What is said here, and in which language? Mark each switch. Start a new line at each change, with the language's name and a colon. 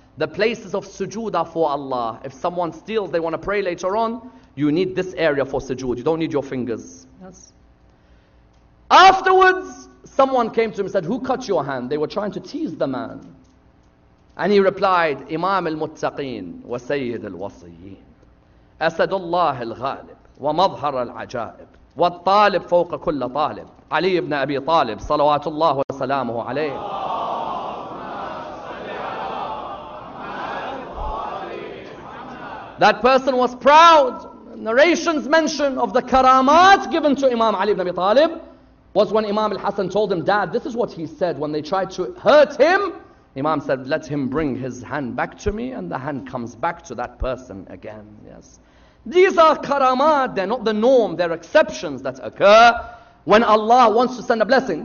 English: the places of sujood are for Allah. If someone steals, they want to pray later on, you need this area for sujood. You don't need your fingers. Yes. Afterwards, someone came to him and said, who cut your hand? They were trying to tease the man. And he replied, Imam al-Muttaqeen wa Sayyid al-Wasiyyin.
Arabic: أسد الله الغالب ومظهر العجائب والطالب فوق كل طالب علي بن أبي طالب صلوات الله وسلامه عليه
English: That person was proud. Narrations mention of the karamat given to Imam Ali ibn Abi Talib was when Imam al-Hasan told him, Dad, this is what he said when they tried to hurt him. Imam said, let him bring his hand back to me, and the hand comes back to that person again. Yes. These are karamat, they're not the norm, they're exceptions that occur when Allah wants to send a blessing.